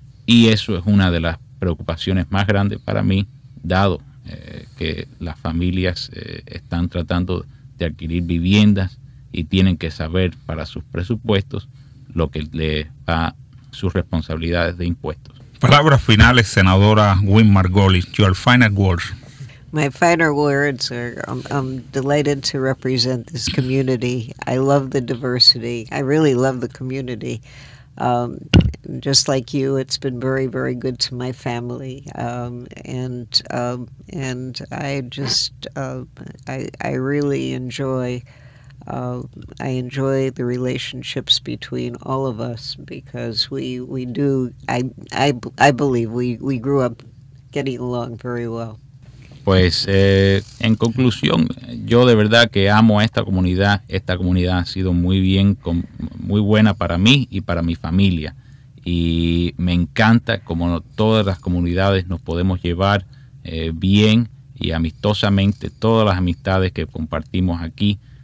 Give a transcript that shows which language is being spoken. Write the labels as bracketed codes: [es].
[es] Y eso es una de las preocupaciones más grandes para mí, dado que las familias están tratando de adquirir viviendas y tienen que saber para sus presupuestos lo que le va sus responsabilidades de impuestos. Palabras finales, senadora Wynn Margolis. [en] Your final words. My final words are I'm delighted to represent this community. I love the diversity. I really love the community. Just like you, it's been very, very good to my family, and I really enjoy I enjoy the relationships between all of us because I believe we grew up getting along very well. [es] Pues en conclusión, yo de verdad que amo a esta comunidad. Esta comunidad ha sido muy buena para mí y para mi familia. Y me encanta como todas las comunidades nos podemos llevar bien y amistosamente, todas las amistades que compartimos aquí.